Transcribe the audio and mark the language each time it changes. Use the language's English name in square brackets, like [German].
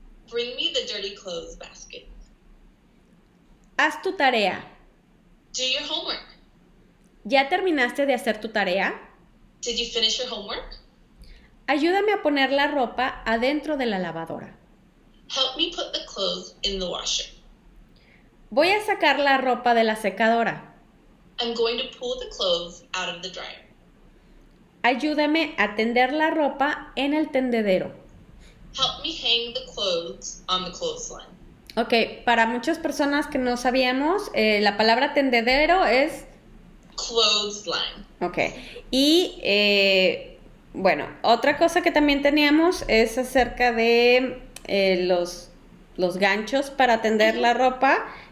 [English] Bring me the dirty clothes basket. [Spanish] Haz tu tarea. [English] Do your homework. [Spanish] ¿Ya terminaste de hacer tu tarea? [English] Did you finish your homework? [Spanish] Ayúdame a poner la ropa adentro de la lavadora. [English] Help me put the clothes in the washer. [Spanish] Voy a sacar la ropa de la secadora. [English] I'm going to pull the clothes out of the dryer. [Spanish] Ayúdame a tender la ropa en el tendedero. [English] Help me hang the clothes on the clothesline. [Spanish] Ok, para muchas personas que no sabíamos, la palabra tendedero es... [English] Clothesline. [Spanish] Ok, y bueno, otra cosa que también teníamos es acerca de los ganchos para tender la ropa.